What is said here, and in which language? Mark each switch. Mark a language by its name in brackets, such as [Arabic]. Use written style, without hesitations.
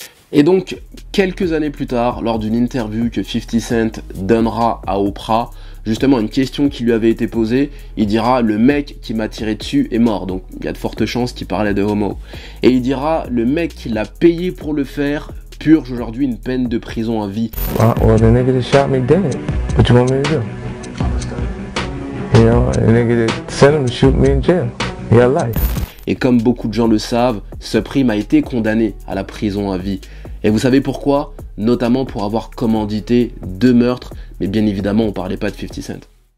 [French] Et donc, quelques années plus tard, lors d'une interview que 50 Cent donnera à Oprah, justement, une question qui lui avait été posée, il dira: le mec qui m'a tiré dessus est mort. Donc, il y a de fortes chances qu'il parlait de homo. Et il dira: le mec qui l'a payé pour le faire purge aujourd'hui une peine de prison à vie. [English] Well, the nigga that shot me dead. What you want me to do? You know, the nigga that sent him to shoot me in jail. He got life. [French] Et comme beaucoup de gens le savent, Supreme a été condamné à la prison à vie. Et vous savez pourquoi? Notamment pour avoir commandité deux meurtres, mais bien évidemment, on parlait pas de 50 Cent.